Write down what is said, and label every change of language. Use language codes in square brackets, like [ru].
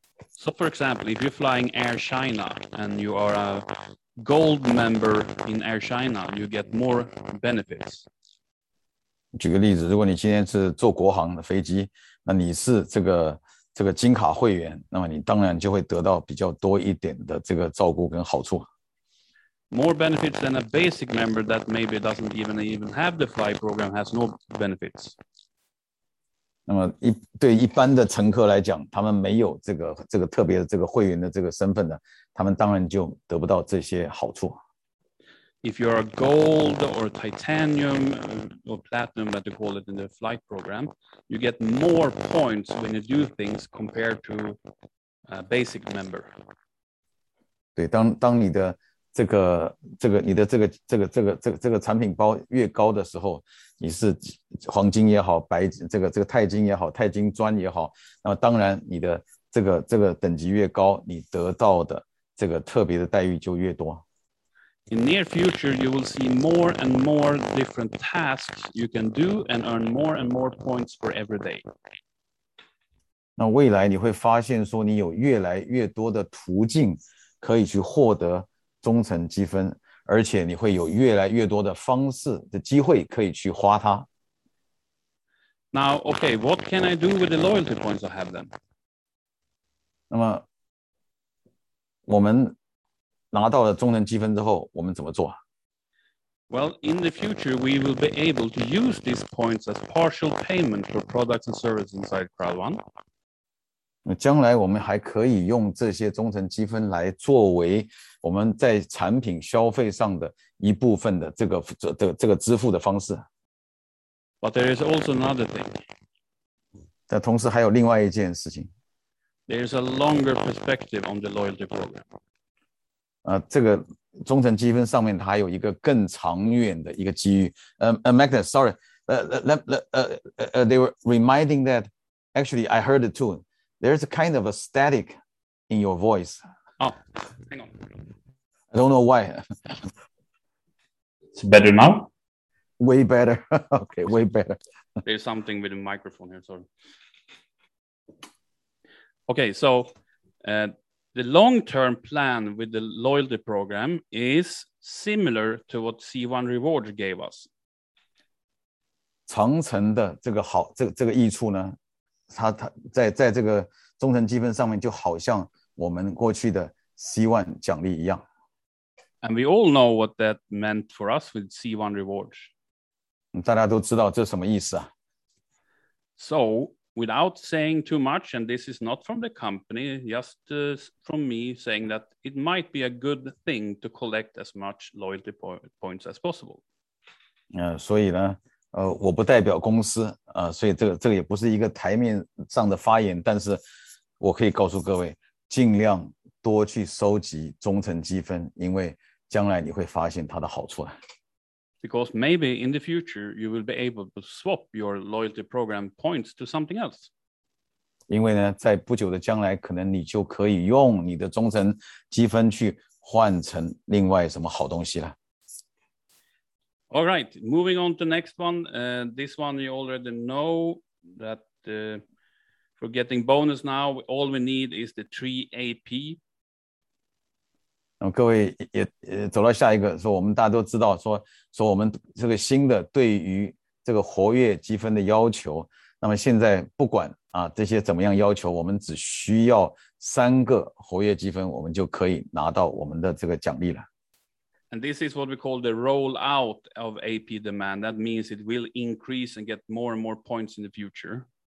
[en] So for example, if you're flying Air China and you are a gold member in Air China, you get more benefits. [zh] 举个例子，如果你今天是坐国航的飞机，那你是这个金卡会员，那么你当然就会得到比较多一点的这个照顾跟好处。 [en] More benefits than a basic member that maybe doesn't even have the fly program has no benefits. [zh] 那么对一般的乘客来讲，他们没有这个特别的这个会员的这个身份的，他们当然就得不到这些好处。 [en] If you're a gold or titanium or platinum, as they call it in the flight program, you get more points when you do things compared to a basic member. [zh] 对，当你的这个你的这个产品包越高的时候，你是黄金也好，白这个钛金也好，钛金砖也好，那么当然你的这个等级越高，你得到的这个特别的待遇就越多。 [en] In near future, you will see more and more different tasks you can do and earn more and more points for every day. [zh] 那未来你会发现说你有越来越多的途径可以去获得忠诚积分，而且你会有越来越多的方式的机会可以去花它。 [en] Now, okay, what can I do with the loyalty points I have then? [zh] 那么我们拿到了终身积分之后，我们怎么做？ [en] Well, in the future, we will be able to use these points as partial payment for products and services inside CrowdOne. [zh] 将来我们还可以用这些忠诚积分来作为我们在产品消费上的一部分的这个支付的方式。 [en] But there is also another thing. [zh] 但同时还有另外一件事情。 [en] There is a longer perspective on the loyalty program. [zh] 这个忠诚积分上面它有一个更长远的一个机遇。 [en] Magnus, sorry, they were reminding that actually I heard it too. There's a kind of a static in your voice. Oh, hang on. I don't know why. It's better now? Way better. Okay, way better. There's something with the microphone here, sorry. Okay, so... The long-term plan with the loyalty program is similar to what C1 Rewards gave us. [zh] 长程的这个好，这个益处呢，它在这个忠诚积分上面就好像我们过去的 C1 奖励一样。 [en] And we all know what that meant for us with C1 Rewards. [zh] 大家都知道这什么意思啊。 [en] So... Without saying too much, and this is not from the company, just from me saying that it might be a good thing to collect as much loyalty points as possible. [zh] 所以呢，我不代表公司，所以这个也不是一个台面上的发言，但是我可以告诉各位，尽量多去收集忠诚积分，因为将来你会发现它的好处了。 [en] Because maybe in the future, you will be able to swap your loyalty program points to something else. [zh] 因为呢，在不久的将来，可能你就可以用你的忠诚积分去换成另外什么好东西了。 [en] All right, moving on to the next one. This one you already know that for getting bonus now, all we need is the 3AP. [zh] 各位也走到下一个，说我们大家都知道说我们这个新的对于这个活跃积分的要求，那么现在不管这些怎么样要求，我们只需要三个活跃积分，我们就可以拿到我们的这个奖励了。 [en] And this is what we call the rollout of AP demand. That means it will increase and get more and more points in the future.